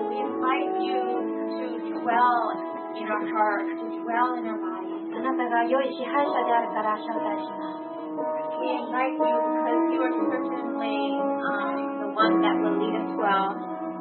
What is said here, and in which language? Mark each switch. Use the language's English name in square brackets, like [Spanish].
[English] We invite you to dwell in our heart, to dwell in our body. [Japanese] あなたが良い支配者であるから招待します。 [English] We invite you because you are certainly the one that will lead us well.